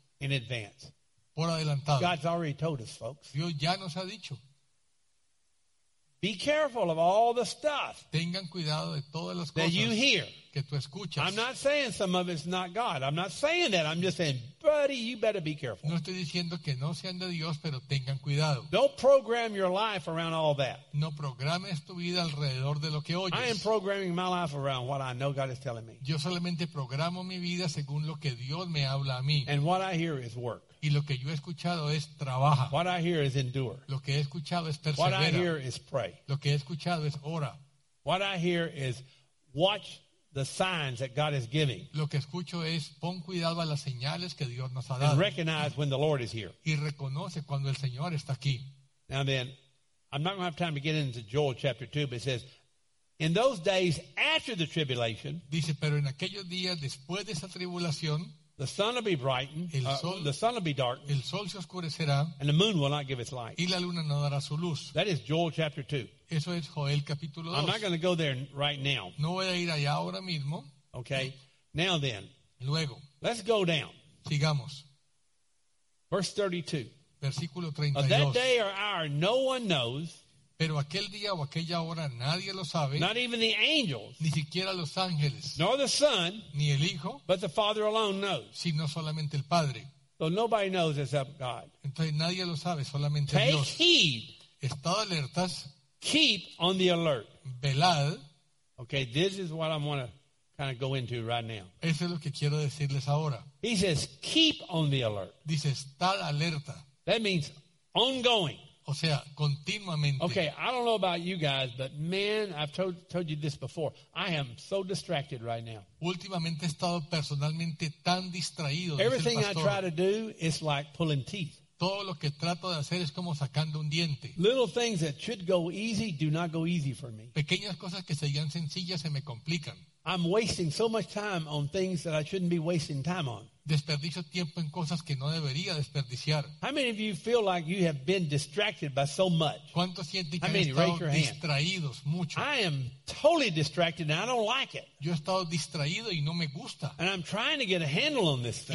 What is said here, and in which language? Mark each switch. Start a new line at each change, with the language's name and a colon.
English: In advance.
Spanish: Por adelantado.
English: God's already told us, folks.
Spanish: Dios ya nos ha dicho.
English: Be careful of all the stuff.
Spanish: Tengan cuidado de todas las cosas.
English: That you hear.
Spanish: Que tú escuchas.
English: I'm not saying some of it's not God. I'm not saying that. I'm just saying, buddy, you better be careful.
Spanish: No estoy diciendo que no sean de Dios, pero tengan cuidado.
English: Don't program your life around all that.
Spanish: No programes tu vida alrededor de lo que oyes.
English: I am programming my life around what I know God is telling me.
Spanish: Yo solamente programo mi vida según lo que Dios me habla a mí.
English: And what I hear is work.
Spanish: Y lo que yo he escuchado es trabaja.
English: What I hear is endure.
Spanish: Lo que he escuchado es persevera.
English: What I hear is pray.
Spanish: Lo que he escuchado es ora.
English: What I hear is watch the signs that God is giving.
Spanish: Lo que escucho es pon cuidado a las señales que Dios nos ha dado.
English: And recognize when the Lord is here.
Spanish: Y reconoce cuando el Señor está aquí.
English: Now then, I'm not going to have time to get into Joel chapter 2, but it says, in those days after the tribulation,
Spanish: dice, pero en aquellos días después de esa tribulación,
English: the sun will be brightened,
Spanish: el sol,
English: the sun will be darkened,
Spanish: el sol se oscurecerá,
English: and the moon will not give its light.
Spanish: Y la luna no dará su luz.
English: That is Joel chapter 2.
Spanish: Eso es Joel capítulo 2.
English: I'm not going to go there right now.
Spanish: No voy a ir allá ahora mismo.
English: Okay, now then.
Spanish: Luego.
English: Let's go down.
Spanish: Sigamos.
English: Verse 32.
Spanish: Versículo 32.
English: Of that day or hour, no one knows.
Spanish: Pero aquel día o aquella hora nadie lo sabe.
English: Not even the angels.
Spanish: Ni siquiera los ángeles.
English: Nor the Son.
Spanish: Ni el Hijo.
English: But the Father alone knows.
Spanish: Sino solamente el Padre.
English: So nobody knows except God.
Spanish: Entonces nadie lo sabe, solamente
English: Take
Spanish: Dios.
English: Take heed.
Spanish: Estad alertas.
English: Keep on the alert.
Spanish: Velad.
English: Okay, this is what I want to kind of go into right now.
Spanish: Eso es lo que quiero decirles ahora.
English: He says, keep on the alert.
Spanish: Dice, estad alerta.
English: That means ongoing.
Spanish: O sea, continuamente.
English: Okay, I don't know about you guys, but man, I've told you this before. I am so distracted right now.
Spanish: Últimamente he estado personalmente tan distraído.
English: Everything I try to do is like pulling teeth.
Spanish: Todo lo que trato de hacer es como sacando un diente.
English: Little things that should go easy do not go easy for me.
Spanish: Pequeñas cosas que serían sencillas se me complican.
English: I'm wasting so much time on things that I shouldn't be wasting time on.
Spanish: Desperdicio tiempo en cosas que no debería desperdiciar.
English: How many of you feel like you have been distracted by so much?
Spanish: ¿Cuántos sienten que han estado distraídos mucho?
English: I am totally distracted and I don't like it.
Spanish: Yo he estado distraído y no me gusta.
English: And I'm trying to get a handle on this thing.